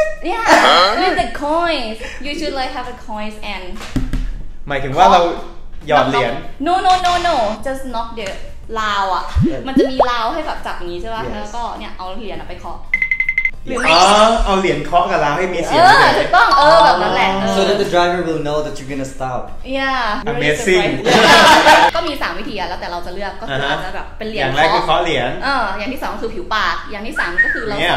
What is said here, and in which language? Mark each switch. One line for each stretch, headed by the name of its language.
English: yeah with the coins you should like have a coins and
Thai: หมายถึงว่าเราหยอดเหรียญ
English: no just knock the
Thai: ราวอ่ะมันจะมีราวให้แบบจับอย่างนี้ใช่ป่ะแล้วก็เนี่ยเอาเหรียญไปเคาะ เอาเหรียญเคาะกับราวให้มีเสียง ถูกต้องแบบนั้นแหละ
English: so that the driver will know that you're gonna stop yeah amazing
Thai: ก็มี3วิธีแล้วแต่เราจะเลือกก็คือจะแบบเป็นเหรียญ อย่างแรกคือเคาะเหรียญ อย่างที่2คือผิวปากอย่างที่3ก็คือเรา